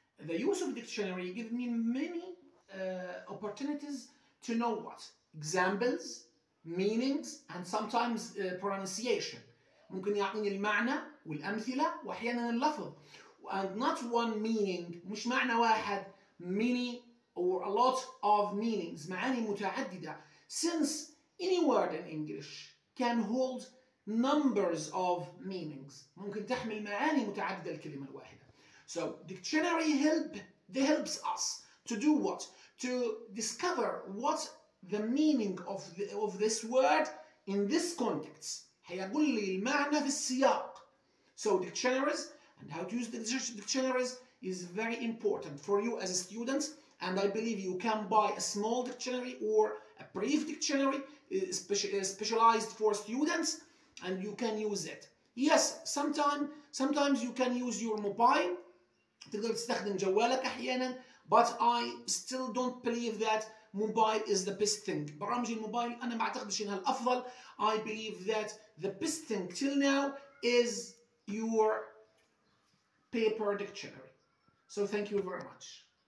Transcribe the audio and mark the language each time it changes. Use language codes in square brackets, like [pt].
[en] The use of dictionary gives me many opportunities to know what? Examples, meanings, and sometimes pronunciation. [ar] ممكن يعطيني المعنى والأمثلة وأحيانا اللفظ. [en] And not one meaning, [ar] مش معنى واحد, [en] many or a lot of meanings, [ar] معاني متعددة. [en] Since any word in English can hold numbers of meanings, [ar] ممكن تحمل معاني متعددة الكلمة الواحدة. [en] So dictionary helps us to do what? To discover what the meaning of this word in this context. [ar] هيقول لي المعنى في السياق. [en] So dictionaries and how to use the dictionaries is very important for you as a student. And I believe you can buy a small dictionary or a brief dictionary specialized for students. And you can use it. Yes, sometimes you can use your mobile. [ar] تقدر تستخدم جوالك أحيانا. [en] But I still don't believe that mobile is the best thing. [ar] برامج الموبايل أنا ما أعتقدش إنها الأفضل. [en] I believe that the best thing till now is your paper dictionary. So thank you very much.